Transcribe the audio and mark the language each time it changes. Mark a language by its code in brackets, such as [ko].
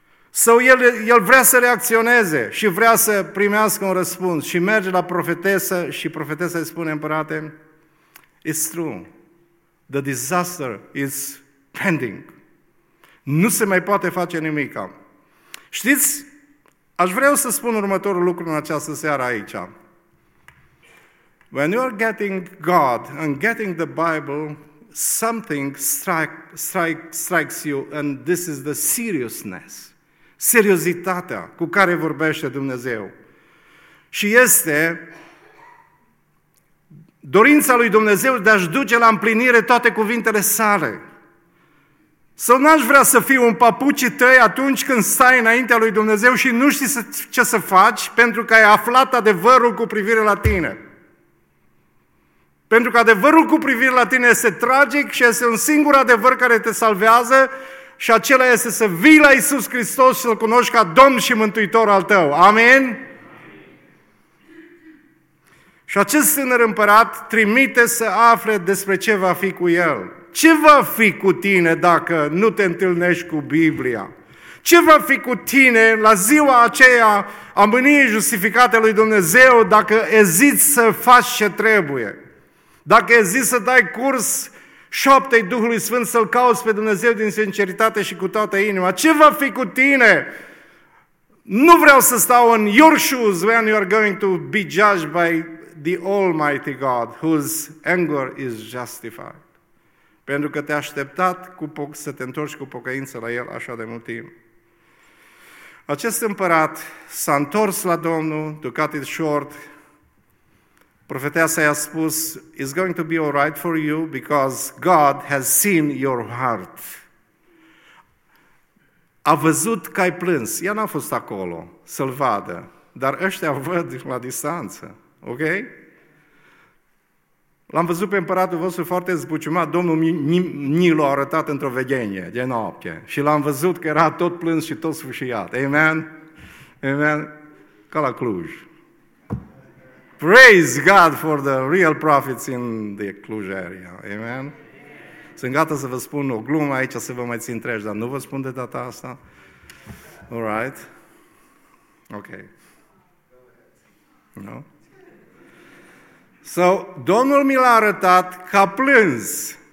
[ro] So, el vrea să reacționeze și vrea să primească un răspuns și merge la profetesă și profetesa îi spune, împărate, [en] it's true, the disaster is pending. [ro] Nu se mai poate face nimica. Știți, aș vrea să spun următorul lucru în această seară aici. [en] When you are getting God and getting the Bible, something strikes you and this is the seriousness. [ro] Seriozitatea cu care vorbește Dumnezeu. Și este dorința lui Dumnezeu de a-și duce la împlinire toate cuvintele sale. Sau n-aș vrea să fiu un papucii tăi atunci când stai înaintea lui Dumnezeu și nu știi ce să faci pentru că ai aflat adevărul cu privire la tine. Pentru că adevărul cu privire la tine este tragic și este un singur adevăr care te salvează. Și acela este să vii la Iisus Hristos și să-L cunoști ca Domn și Mântuitor al tău. Amen? Și acest tânăr împărat trimite să afle despre ce va fi cu el. Ce va fi cu tine dacă nu te întâlnești cu Biblia? Ce va fi cu tine la ziua aceea a mâniei justificate lui Dumnezeu dacă eziți să faci ce trebuie? Dacă eziți să dai curs șoaptei Duhului Sfânt să-L cauți pe Dumnezeu din sinceritate și cu toată inima. Ce va fi cu tine? Nu vreau să stau în [en] your shoes when you are going to be judged by the Almighty God whose anger is justified. [ro] Pentru că te-a așteptat să te întorci cu pocăință la El așa de mult timp. Acest împărat s-a întors la Domnul, [en] to cut it short, [ro] profeteasa i-a spus, [en] it's going to be all right for you because God has seen your heart. [ro] A văzut că ai plâns. Ea n-a fost acolo să-l vadă, dar ăștia văd la distanță. Ok? L-am văzut pe împăratul vostru foarte zbuciumat, Domnul ni l-a arătat într-o vedenie de noapte și l-am văzut că era tot plâns și tot sfâșiat. Amen? Amen? ca la Cluj. [en] Praise God for the real prophets in the Cluj area. Amen. [ro] Sunt gata să vă spun o glumă aici, să vă mai țin treci, dar nu vă spun de data asta. [en] All right. [ro] Ok. No? So, Domnul mi l-a arătat ca plâns.